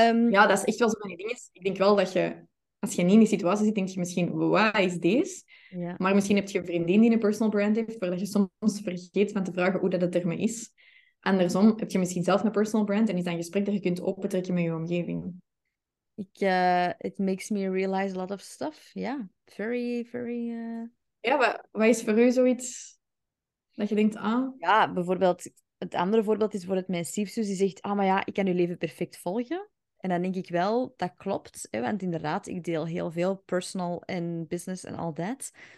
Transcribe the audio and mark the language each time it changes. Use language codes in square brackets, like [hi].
[nl] Ja, dat is echt wel zo'n ding. Ik denk wel dat je... Als je niet in die situatie zit, denk je misschien, wat is deze? Ja. Maar misschien heb je een vriendin die een personal brand heeft, waar je soms vergeet van te vragen hoe dat het ermee is. Andersom, heb je misschien zelf een personal brand en is dat een gesprek dat je kunt opentrekken met je omgeving? [en] It makes me realize a lot of stuff. Ja, yeah. Very, very... [nl] Ja, wat is voor u zoiets dat je denkt, ah... Ja, bijvoorbeeld, het andere voorbeeld is bijvoorbeeld mijn stiefzus die zegt, ah, maar ja, ik kan uw leven perfect volgen. En dan denk ik wel, dat klopt. Hè? Want inderdaad, ik deel heel veel personal en business en al dat.